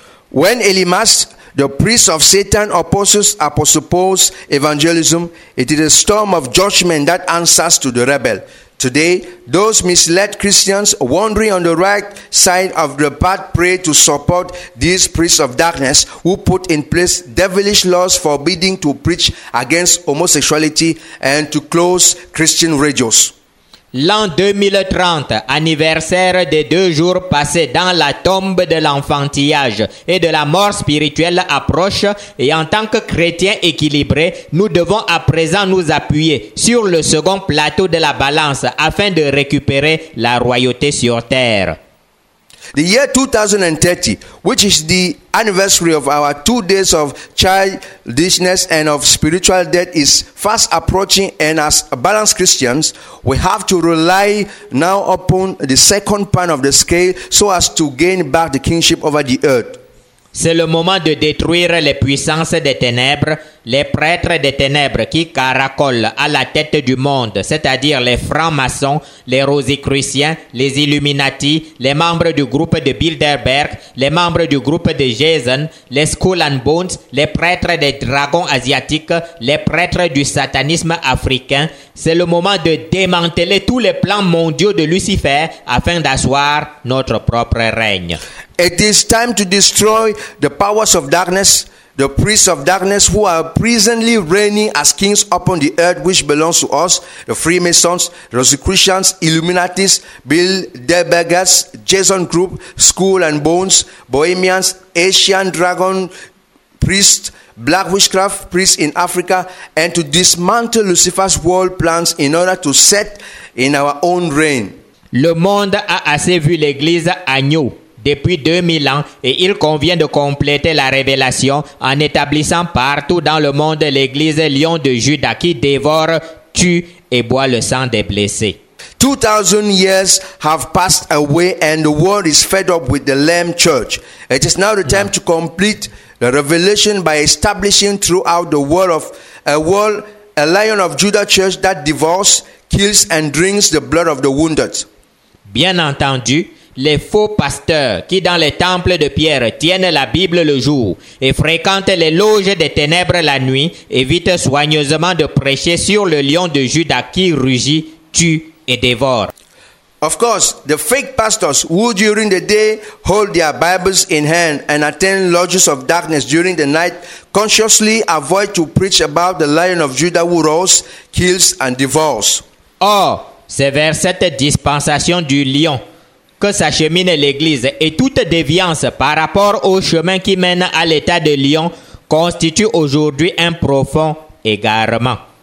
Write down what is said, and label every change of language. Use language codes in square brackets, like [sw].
[en] When Elimas, the priest of Satan, opposes Apostle Paul's evangelism, it is a storm of judgment that answers to the rebel. Today, those misled Christians wandering on the right side of the path pray to support these priests of darkness who put in place devilish laws forbidding to preach against homosexuality and to close Christian radios. [fr] L'an 2030, anniversaire des deux jours passés dans la tombe de l'enfantillage et de la mort spirituelle approche, et en tant que chrétiens équilibrés, nous devons à présent nous appuyer sur le second plateau de la balance afin de récupérer la royauté sur terre. [en] The year 2030, which is the anniversary of our 2 days of childishness and of spiritual death, is fast approaching, and as balanced Christians, we have to rely now upon the second pan of the scale so as to gain back the kingship over the earth. [fr] C'est le moment de détruire les puissances des ténèbres, les prêtres des ténèbres qui caracolent à la tête du monde, c'est-à-dire les francs-maçons, les rosicruciens, les Illuminati, les membres du groupe de Bilderberg, les membres du groupe de Jason, les Skull and Bones, les prêtres des dragons asiatiques, les prêtres du satanisme africain. C'est le moment de démanteler tous les plans mondiaux de Lucifer afin d'asseoir notre propre règne. [en] It is time to destroy the powers of darkness, the priests of darkness who are presently reigning as kings upon the earth, which belongs to us, the Freemasons, Rosicrucians, Illuminatis, Bilderbergers, Jason Group, Skull and Bones, Bohemians, Asian Dragon Priests, Black Witchcraft Priests in Africa, and to dismantle Lucifer's world plans in order to set in our own reign. [fr] Le monde a assez vu l'église agneau depuis 2000 ans, et il convient de compléter la révélation en établissant partout dans le monde l'église Lion de Juda qui dévore, tue et boit le sang des blessés. [en] 2000 years have passed away and the world is fed up with the Lamb Church. It is now the time to complete the revelation by establishing throughout the world of a world a Lion of Judah Church that devours, kills and drinks the blood of the wounded. [fr] Bien entendu, les faux pasteurs qui dans les temples de pierre tiennent la Bible le jour et fréquentent les loges des ténèbres la nuit évitent soigneusement de prêcher sur le lion de Juda qui rugit, tue et dévore. [en] Of course, the fake pastors who during the day hold their Bibles in hand and attend lodges of darkness during the night consciously avoid to preach about the lion of Judah who roars, kills and devours. [fr] Or, c'est vers cette dispensation du lion que s'achemine l'Église, et toute déviance par rapport au chemin qui mène à l'état de lion constitue aujourd'hui un profond égarement.